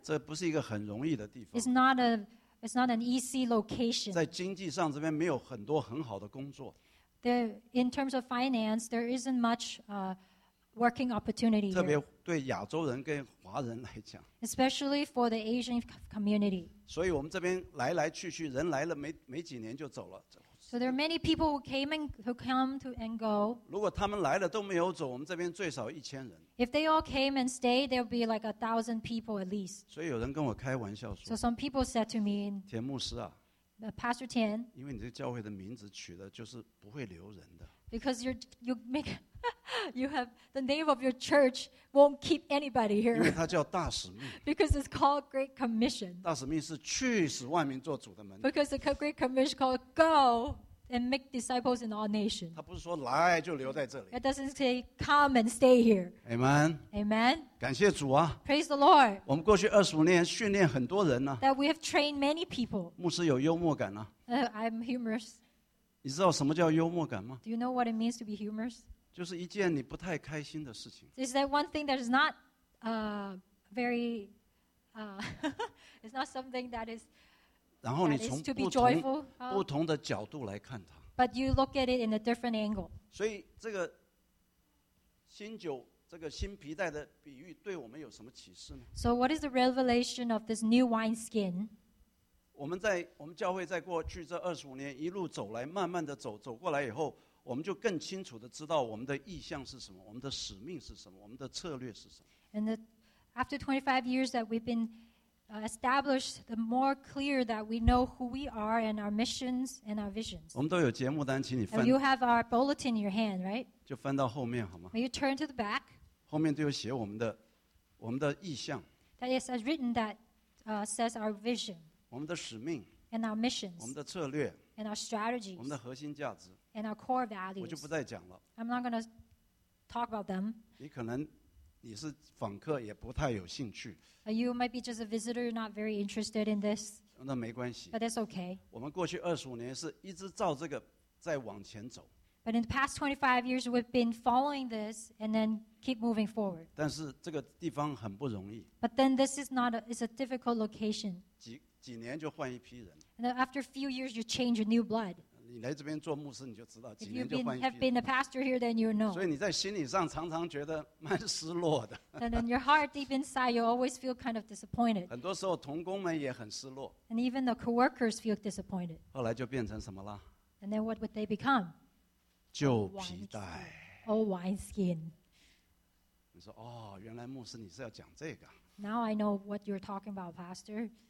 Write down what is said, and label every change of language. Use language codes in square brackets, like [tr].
[zh] 这不是一个很容易的地方。 [en] It's not an easy location. [zh] 在经济上这边没有很多很好的工作。 [en] In terms of finance, there isn't much working opportunity here. [zh] 特别对亚洲人跟华人来讲。 [en] Especially for the Asian community. [zh] 所以我们这边来来去去，人来了没几年就走了。 [en] So there are many people who came and who come to and go. [zh] 如果他们来了都没有走，我们这边最少一千人。 [en] If they all came and stayed, there would be like 1,000 people at least. [zh] 所以有人跟我开玩笑说。 [en] So some people said to me, [zh] 田牧师啊 [en] ，Pastor Tian, [zh] 因为你这个教会的名字取的就是不会留人的。 [en] Because you have the name of your church won't keep anybody here. [zh] 因为它叫大使命。 [en] Because it's called Great Commission. [zh] 大使命是去使万民做主的门。 [en] Because the Great Commission called go and make disciples in all nations. [zh] 它不是说来就留在这里。 [en] It doesn't say come and stay here. Amen. Amen. [zh] 感谢主啊。 [en] Praise the Lord. [zh] 我们过去二十五年训练很多人呢。 [en] That we have trained many people. [zh] 牧师有幽默感呢。 [en] I'm humorous. [zh] 你知道什么叫幽默感吗？ [en] Do you know what it means to be humorous? [zh] 就是一件你不太开心的事情。 [en] Is that one thing that is not very, it's not something that is. [zh] 然后你从不同不同的角度来看它。 [en] But you look at it in a different angle. [zh] 所以这个新酒这个新皮带的比喻对我们有什么启示呢 [en] ？So what is the revelation of this new wine skin? [zh] 我们教会在过去这二十五年一路走来，慢慢的走过来以后。我们就更清楚地知道我们的意向是什么，我们的使命是什么，我们的策略是什么。 [en] And after 25 years that we've been established, the more clear that we know who we are and our missions and our visions. [zh] 我们都有节目单，请你翻。 [en] And you have our bulletin in your hand, right? [zh] 就翻到后面好吗 [en] ？May you turn to the back. [zh] 后面都有写我们的意向。 [en] That is written that says our vision. [zh] 我们的使命。 [en] And our missions. [zh] 我们的策略。 [en] And our strategies. [zh] 我们的核心价值。 [en] And our core values. [zh] 我就不再讲了。 [en] I'm not going to talk about them. [zh] 你可能你是访客，也不太有兴趣。 [en] You might be just a visitor, not very interested in this. [zh] 那没关系。 [en] But that's okay. [zh] 我们过去二十五年是一直照这个在往前走。 [en] But in the past 25 years, we've been following this and then keep moving forward. [zh] 但是这个地方很不容易。 [en] But then this is not a, it's a difficult location. [zh] 几年就换一批人。 [en] And after a few years, you change a new blood. [zh] 你来这边做牧师，你就知道， [en] if you have been a pastor here, then you know. [zh] 所以你在心理上常常觉得蛮失落的。 [en] And in your heart, deep inside, you always feel kind of disappointed. [zh] 很多时候同工们也很失落。 [en] And even the co-workers feel disappointed. [zh] 后来就变成什么了？ [en] And then what would they become? [zh] 旧皮带， [en] old wineskin. [zh] 你说哦，原来牧师你是要讲这个。 [en] Now I know what you're talking about, Pastor.